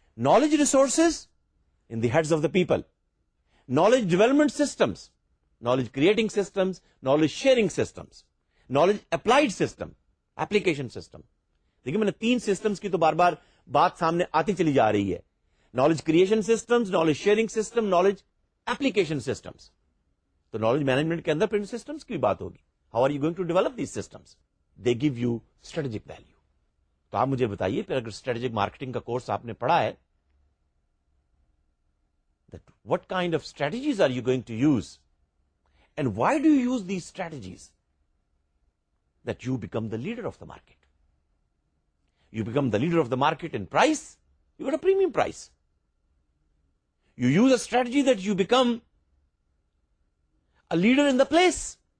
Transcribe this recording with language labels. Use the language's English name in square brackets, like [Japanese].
[English] Knowledge resources in the heads of the people, knowledge development systems, knowledge creating systems, knowledge sharing systems, knowledge applied system, application system. [Urdu] دیکھیے میں نے تین systems کی تو بار بار بات سامنے آتی چلی جا رہی ہے, knowledge creation systems, knowledge sharing system, knowledge application systems. تو نالج مینجمنٹ کے اندر پرنٹ سسٹمز کی بات ہوگی. [English] How are you going to develop these systems? They give you strategic value. [Urdu] تو آپ مجھے بتائیے پھر اگر اسٹریٹجک مارکیٹنگ کا کورس آپ نے پڑھا ہے, [English] That what kind of strategies are you going to use And why do you use these strategies? That you become the leader of the market. You become the leader of the market in price, you got a premium price. You use a strategy that you become a leader in the place.